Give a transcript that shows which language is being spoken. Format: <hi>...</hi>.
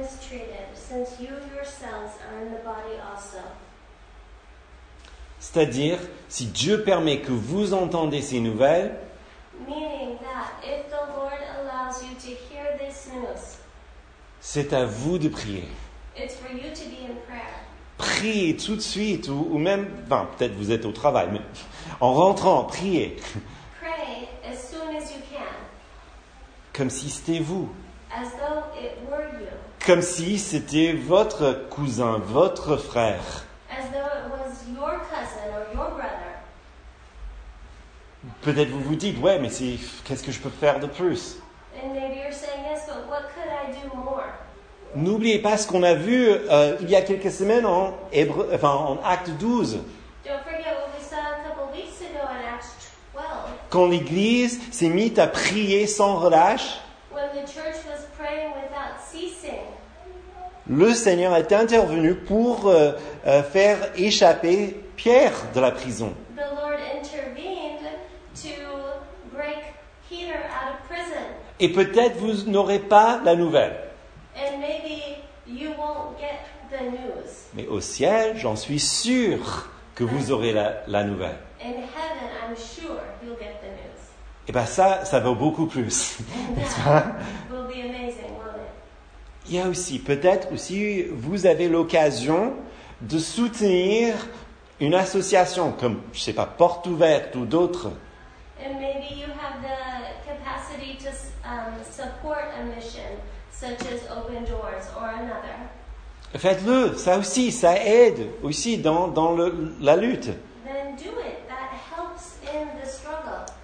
<en>treated, since you yourselves are in the body also.</en> <fr>C'est-à-dire, si Dieu permet que vous entendez ces nouvelles,</fr> <en>meaning that if the Lord allows you to hear this news,</en> <fr>c'est à vous de prier.</fr> <en>It's for you to be in prayer.</en> <fr>Priez tout de suite, ou même, enfin, peut-être vous êtes au travail, mais en rentrant, priez.</fr> <en>Pray as soon as you can.</en> <fr>Comme si c'était vous.</fr> <en>As though it were you.</en> <fr>Comme si c'était votre cousin, votre frère.</fr> <en>As though it was your cousin or your brother.</en> <fr>Peut-être vous vous dites, ouais, mais c'est, qu'est-ce que je peux faire de plus?</fr> <en>And maybe you're saying, yes, but what could I do more?</en> <fr>N'oubliez pas ce qu'on a vu il y a quelques semaines en, Hébreu, enfin, en Actes 12.</fr> <en>Don't forget what we saw a couple weeks ago in Acts 12.</en> <fr>Quand l'Église s'est mise à prier sans relâche,</fr> <en>when the church was praying without ceasing,</en> <fr>le Seigneur est intervenu pour faire échapper Pierre de la prison.</fr> <en>The Lord intervened to break Peter out of prison.</en> <fr>Et peut-être vous n'aurez pas la nouvelle.</fr> <en>And maybe you won't get the news.</en> <fr>Mais au ciel, j'en suis sûr que vous aurez la nouvelle.</fr> <en>In heaven, I'm sure you'll get the news.</en> <fr>Et bien ça vaut beaucoup plus.</fr> <en>It will be amazing, won't it?</en> <fr>Il y a aussi, peut-être aussi, vous avez l'occasion de soutenir une association comme, je ne sais pas, Porte Ouverte ou d'autres.</fr> <en>And maybe you have the capacity to support a mission. Such as Open Doors or another.</en> <fr>Faites-le, ça aussi, ça aide aussi dans la lutte.</fr> <en>Then do it, that helps in the struggle.</en>